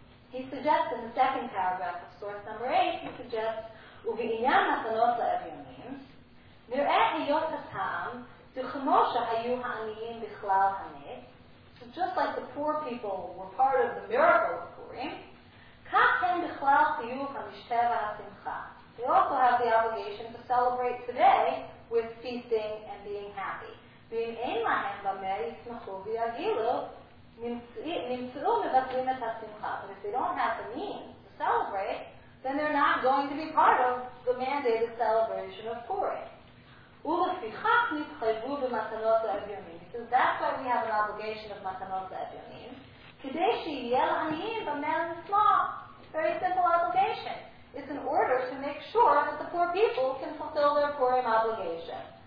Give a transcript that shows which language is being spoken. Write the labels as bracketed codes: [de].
[en] He suggests in the second paragraph of source number 8, he suggests, [he] ובעניין מתנות לאביונים, נראה היות הטעם, וכמו שהיו העניים בכלל הנס, [en] so just like the poor people were part of the miracle of Purim, [he] כך הם בכלל חיוב המשתה והשמחה. [en] They also have the obligation to celebrate today with feasting and being happy. [he] ואם אין להם במה יצמחו ויגילו, נמצאו מבטלים את השמחה. [en] But if they don't have the means to celebrate, then they're not going to be part of the mandated celebration of Purim. [he] ולפיכך נתחייבו במתנות לאביונים. [en] So that's why we have an obligation of מתנות לאביונים. [he] כדי שיהיה לעניים במה לצמח. [en] Very simple obligation. It's in order to make sure that the poor people can fulfill their Purim obligation.